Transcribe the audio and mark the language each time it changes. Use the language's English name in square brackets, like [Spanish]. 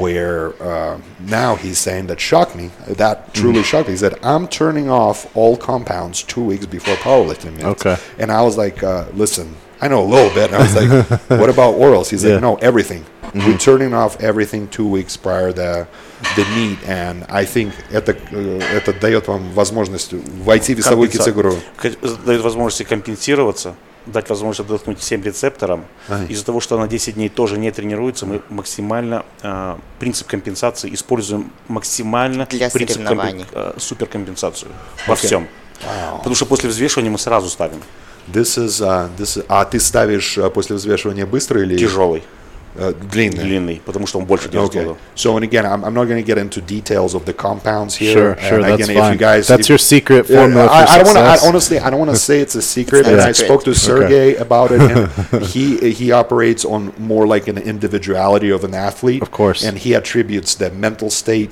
[English] where now he's saying that shocked me, that truly mm-hmm. shocked me. He said, I'm turning off all compounds 2 weeks before powerlifting meets. Okay. And I was like, listen, I know a little bit. And I was like, what about orals? He's yeah. like, no, everything. Mm-hmm. We're turning off everything 2 weeks prior to the meet. And I think [Russian] это дает вам возможность войти в весовую категорию. Дает возможность компенсироваться. Дать возможность отдохнуть всем рецепторам. Ага. Из-за того, что она 10 дней тоже не тренируется, мы максимально принцип компенсации используем максимально для принцип суперкомпенсацию okay. во всем. Wow. Потому что после взвешивания мы сразу ставим. [English] This is, [Russian] а ты ставишь после взвешивания быстро или тяжелый. Длинный, потому что он больше 10 [English] okay. So, and again, I'm not going to get into details of the compounds here. Sure, that's again, fine. That's your secret formula for success. I honestly don't want to say it's a secret. I spoke to Sergey about it. And he operates on more like an individuality of an athlete. Of course. And he attributes the mental state,